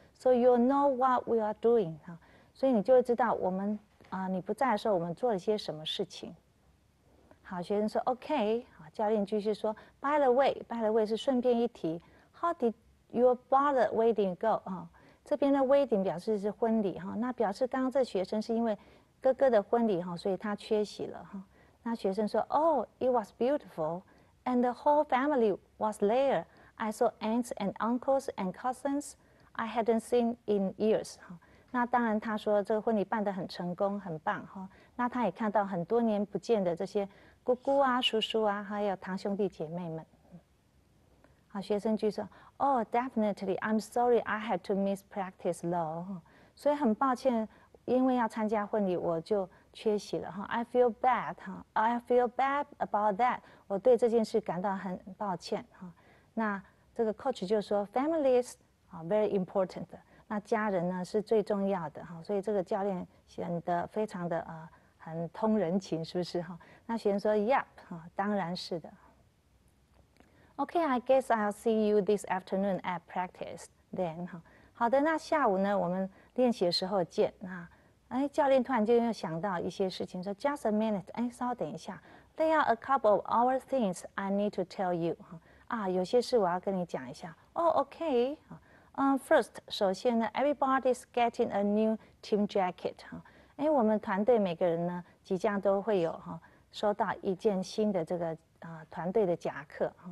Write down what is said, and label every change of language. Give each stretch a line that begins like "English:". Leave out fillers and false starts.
English: So you know what we are doing
Chinese: 哈，所以你就会知道我们你不在的时候我们做了些什么事情。好，学生说 OK， 好，教练继续说
English: By the way
Chinese: 是顺便一提 ，
English: How did your brother wedding go
Chinese: 哈？这边的 wedding 表示是婚礼哈，那表示刚刚这学生是因为哥哥的婚礼哈，所以他缺席了哈。那学生说
English: Oh, it was beautiful and the whole family was there. I saw aunts and uncles and cousins I hadn't seen in years.
Chinese: 那当然他说这个婚礼办得很成功很棒，那他也看到很多年不见的这些姑姑啊叔叔啊还有堂兄弟姐妹们。好，学生就说
English: Oh, definitely, I'm sorry I had to miss practice though.
Chinese: 所以很抱歉因为要参加婚礼我就缺席了。
English: I feel bad about that，
Chinese: 我对这件事感到很抱歉。那这个 coach 就说
English: family is very important，
Chinese: 那家人呢是最重要的，所以这个教练显得非常的很通人情是不是。那学生说 yep， 当然是的。
English: OK， I guess I'll see you this afternoon at practice then。
Chinese: 好的，那下午呢我们练习的时候见。那哎，教练突然就又想到一些事情，说
English: Just a minute，
Chinese: 哎，稍等一下 ，
English: There are a couple of other things I need to tell you，
Chinese: 啊，有些事我要跟你讲一下。 Oh， OK， first， 首先呢 ，
English: Everybody's getting a new team jacket，
Chinese: 哎，我们团队每个人呢，即将都会有收到一件新的这个团队的夹克。